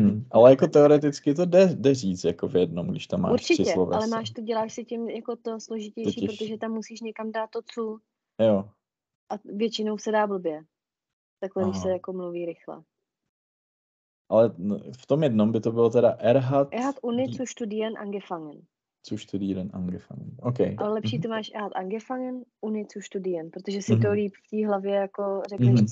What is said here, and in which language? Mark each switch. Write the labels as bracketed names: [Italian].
[Czech] Ale jako teoreticky to jde říct jako v jednom, když tam máš tři slovesa. Určitě, ale máš to, děláš si tím jako to složitější, totiž... protože tam musíš někam dát to co. Jo. A většinou se dá blbě. Takhle, Aha. když se jako mluví rychle. Ale v tom jednom by to bylo teda Er hat [German] Uni zu studieren angefangen. Zu studieren angefangen, okay. [Czech] Ale lepší to máš hat angefangen, uni zu studieren, protože si mm-hmm. to líp v té hlavě jako řekneš, mm-hmm.